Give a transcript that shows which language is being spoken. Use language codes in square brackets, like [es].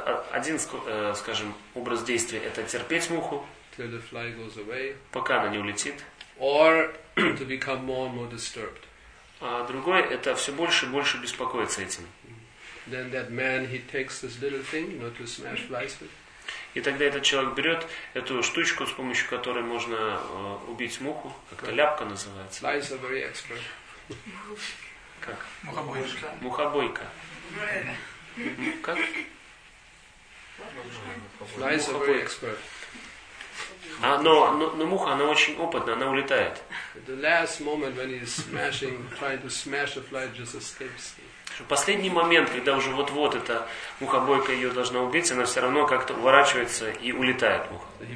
[ru] Один, скажем, образ действия – это терпеть муху. [en] Till the fly goes away. [ru] Пока она не улетит. [en] Or to become more and more disturbed. [ru] А другой – это все больше и больше беспокоиться этим. [en] Then that man, he takes this little thing, you know, to smash flies with. [ru] И тогда этот человек берет эту штучку, с помощью которой можно убить муху, как-то ляпка называется. [en] Flies are very expert. [ru] Как? Мухобойка. Мухобойка. Как? [en] Flies are very expert. [ru] Но муха, она очень опытна, она улетает. [en] The last moment when he's smashing, trying to smash a fly, just escapes. [ru] Последний момент, когда уже вот-вот эта мухобойка ее должна убить, она все равно как-то уворачивается и улетает муха.